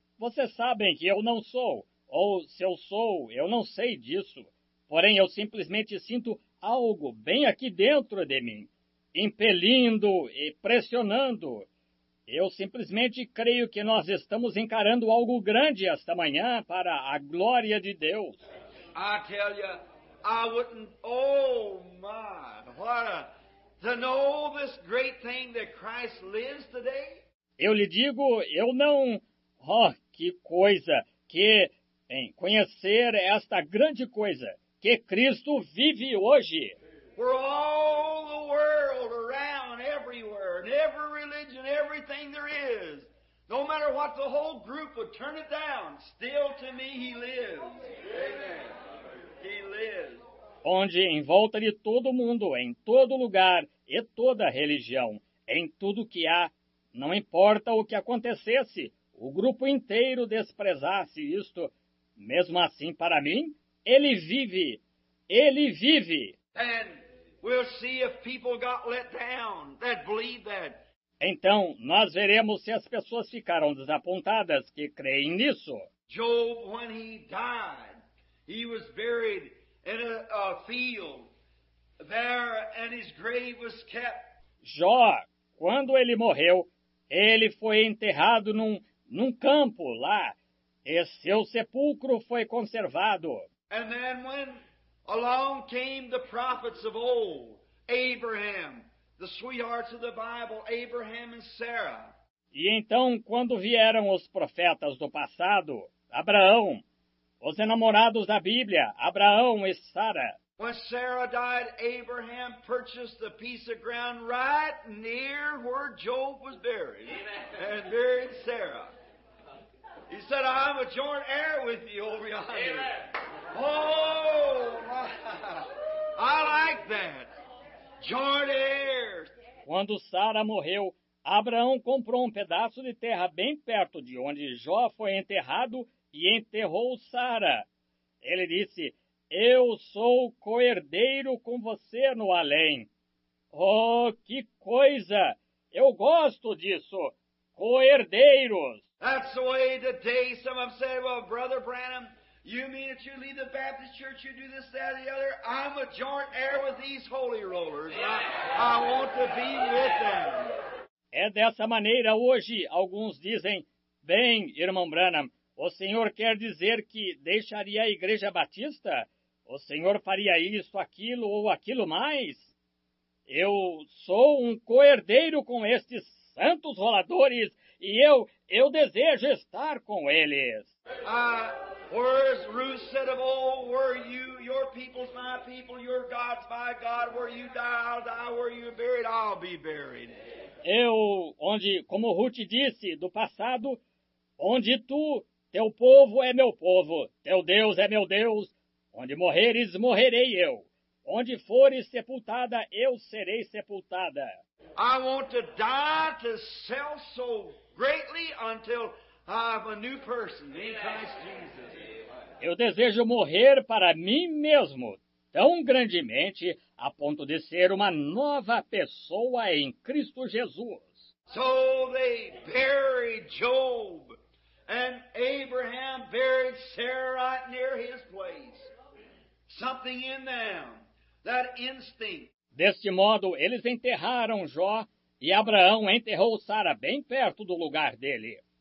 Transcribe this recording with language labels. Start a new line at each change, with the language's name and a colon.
Portuguese: Vocês sabem que eu não sou, ou se eu sou, eu não sei disso. Porém, eu simplesmente sinto algo bem aqui dentro de mim, impelindo e pressionando. Eu simplesmente creio que nós estamos encarando algo grande esta manhã para a glória de Deus.
English: I tell you, I wouldn't, oh my, what a, to know this great thing that Christ lives today?
Portuguese: Eu lhe digo, eu não, oh, que coisa, que, em conhecer esta grande coisa, que Cristo vive hoje.
English: For all the world around, everywhere, in every religion, everything there is, no matter what the whole group would turn it down, still to me he lives. Amen. He lives.
Portuguese: Onde em volta de todo mundo, em todo lugar e toda religião, em tudo que há, não importa o que acontecesse, o grupo inteiro desprezasse isto, mesmo assim para mim, ele vive. Ele vive.
English: And we'll see if people got let down that believe that.
Portuguese: Então, nós veremos se as pessoas ficaram desapontadas que creem nisso.
English: Job, when he died, he was buried in a field there, and his grave was kept.
Portuguese: Jó, quando ele morreu, ele foi enterrado num campo lá, e seu sepulcro foi conservado.
English: And then when along came the prophets of old, Abraham, the sweethearts of the Bible, Abraham and Sarah.
Portuguese: E então, quando vieram os profetas do passado, Abraão, os enamorados da Bíblia, Abraão e Sara.
English: When Sarah died, Abraham purchased the piece of ground right near where Job was buried. And buried Sarah. He said, I'm a joint heir with you over yonder. Amen. Oh, I like that. Joint heirs.
Portuguese: Quando Sara morreu, Abraão comprou um pedaço de terra bem perto de onde Jó foi enterrado e enterrou Sara. Ele disse, eu sou coerdeiro com você no além. Oh, que coisa! Eu gosto disso! Coerdeiros!
English: That's the way today some of them say, well, Brother Branham, you mean that you leave the Baptist church, you do this, that, the other? I'm a joint heir with these holy rollers. I want to be with them.
Portuguese: É dessa maneira hoje, alguns dizem, bem, irmão Branham, o senhor quer dizer que deixaria a Igreja Batista? O senhor faria isso, aquilo ou aquilo mais? Eu sou um coerdeiro com estes santos roladores e eu desejo estar com eles.
English: Where's Ruth said of old, were you, your people's my people, your God's my God, where you die, I'll die, where you're buried, I'll be buried.
Portuguese: Eu, onde, como Ruth disse do passado, onde tu, teu povo é meu povo, teu Deus é meu Deus, onde morreres, morrerei eu, onde fores sepultada, eu serei sepultada.
English: I want to die to self so greatly until I have a new person in Christ Jesus.
Portuguese: Eu desejo morrer para mim mesmo. Tão grandemente a ponto de ser uma nova pessoa em Cristo Jesus.
English: So they buried Job, and Abraham buried Sarah right near his place. Something in them, that instinct.
Portuguese: Deste modo, eles enterraram Jó e Abraão enterrou Sara bem perto do lugar dele.